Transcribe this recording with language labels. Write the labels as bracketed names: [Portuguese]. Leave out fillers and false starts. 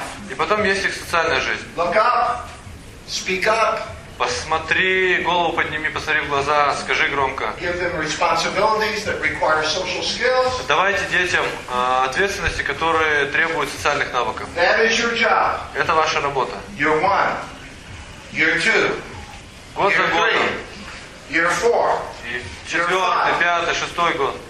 [Russian] И потом есть их социальная жизнь. [English] Speak up. [Russian] Посмотри, голову подними, посмотри в глаза, скажи громко. [English] Give them responsibilities that require social skills. [Russian] Давайте детям ответственности, которые требуют социальных навыков. [English] That is your job. [Russian] Это ваша работа. [English] Year one. Year two. [Russian] Год [English] year [Russian] за годом. [English] Three. Year four. [Russian] Четвертый, пятый, шестой год.